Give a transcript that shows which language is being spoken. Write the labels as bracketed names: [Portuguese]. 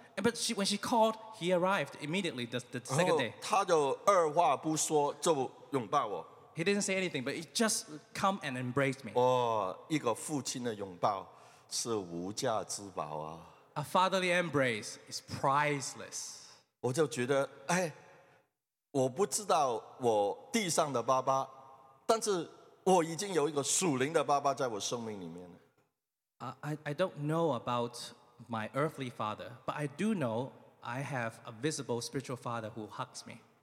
[English] But she, when she called, he arrived immediately the second day. [Chinese] 他就二话不说就拥抱我。 [English] He didn't say anything, but he just come and embraced me. [Chinese] 哦，一个父亲的拥抱是无价之宝啊。A [English] fatherly embrace is priceless. [Chinese] 我就觉得，哎，我不知道我地上的爸爸，但是我已经有一个属灵的爸爸在我生命里面了。 [English] I don't know about my earthly father, but I do know I have a visible spiritual father who hugs me.